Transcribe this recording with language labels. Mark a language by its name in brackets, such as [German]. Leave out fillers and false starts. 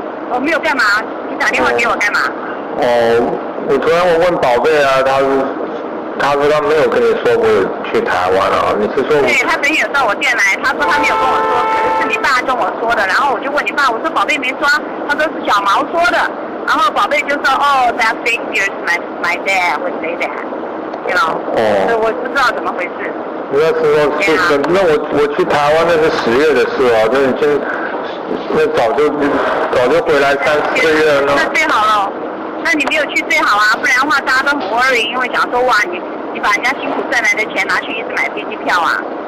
[Chinese] 我没有干嘛，你打电话给我干嘛？哦，我昨天我问宝贝啊，他说他没有跟你说过去台湾啊，你是说我？对，他昨天有到我店来，他说他没有跟我说，可是你爸跟我说的。然后我就问你爸，我说宝贝没说，他说是小毛说的。然后宝贝就说，哦 [English] ，that figures my dad would say that， you know？哦， [Chinese] 我不知道怎么回事。那时候是、 [English] yeah. [Chinese] 那我去台湾那是十月的事啊，就已经那早就回来三四个月了。那最好了。那你没有去最好啊，不然的话大家都很 worry， 因为想说哇，你把人家辛苦赚来的钱拿去一直买飞机票啊。